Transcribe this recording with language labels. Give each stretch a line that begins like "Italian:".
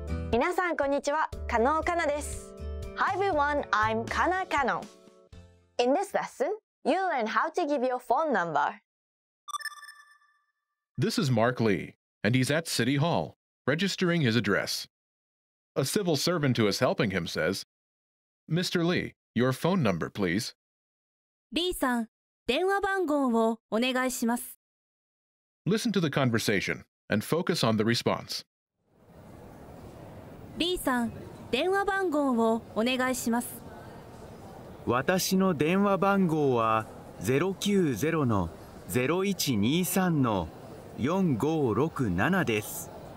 Japanese: 皆さんこんにちは、カノーカナです。
English: Hi everyone, I'm Kana Kano. In this lesson, you learn how to give your phone number. This is Mark Lee, and he's at City Hall, registering his address. A civil servant who is helping him says, Mr. Lee, your phone number, please. Lee-san.
Japanese: 電話番号をお願いします。
English: Listen to the conversation and focus on the response.
Japanese: リーさん、電話番号をお願いします。私の電話番号は 090-0123-4567 です。